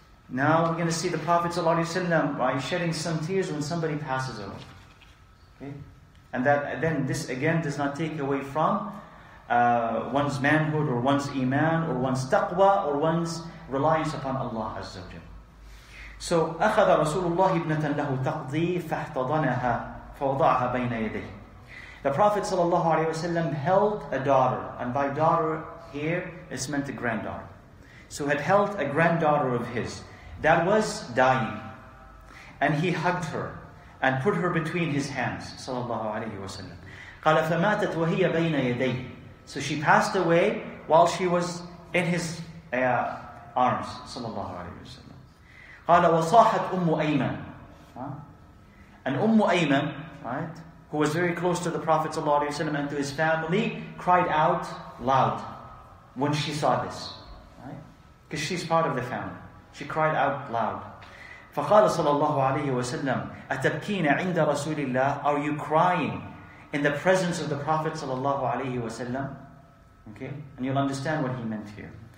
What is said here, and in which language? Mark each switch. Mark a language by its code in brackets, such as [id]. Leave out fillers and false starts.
[en] Now we're going to see the Prophet ﷺ shedding some tears when somebody passes away. Okay? And that then this again does not take away from one's manhood or one's iman or one's taqwa or one's reliance upon Allah Azza wa Jal. So, [ar] أخذ رسول الله ابنة له تقضي فاحتضنها فوضعها بين يديه. [en] The Prophet ﷺ held a daughter, and by daughter here is meant a granddaughter. So had held a granddaughter of his that was dying, and he hugged her and put her between his hands, sallallahu alayhi wa sallam. [ar] قال فماتت وهي بين يديه. [en] So she passed away while she was in his arms, sallallahu alayhi wa sallam. [ar] قال وصاحت أم أيمن. [en] And Umm Ayman, right, who was very close to the Prophet ﷺ and to his family, cried out loud when she saw this. Right? Because she's part of the family. She cried out loud. [ar] فقال صلى الله عليه وسلم أتبكين عند رسول الله. [en] Are you crying in the presence of the Prophet ﷺ? Okay? And you'll understand what he meant here.